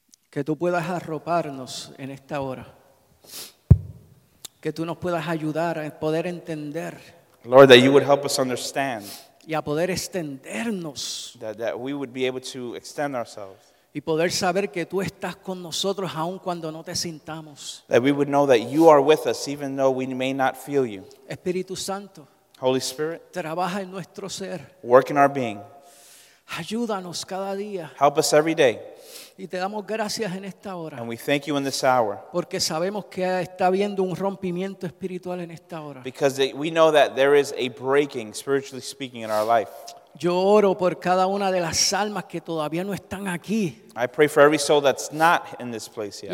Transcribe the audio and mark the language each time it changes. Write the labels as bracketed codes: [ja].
[es] Que tú puedas arroparnos en esta hora. Que tú nos puedas ayudar a poder entender. [en] Lord, that you would help us understand. [es] Y a poder extendernos. [en] That we would be able to extend ourselves. [es] Y poder saber que tú estás con nosotros aun cuando no te sintamos. [en] That we would know that you are with us even though we may not feel you. [es] Espíritu Santo. [en] Holy Spirit. [es] Trabaja en nuestro ser. [en] Work in our being. [es] Ayúdanos cada día. [en] Help us every day. [es] Y te damos gracias en esta hora. [en] And we thank you in this hour. [es] Porque sabemos que está habiendo un rompimiento espiritual en esta hora. [en] Because we know that there is a breaking, spiritually speaking, in our life. [es] Yo oro por cada una de las almas que todavía no están aquí. [en] I pray for every soul that's not in this place yet.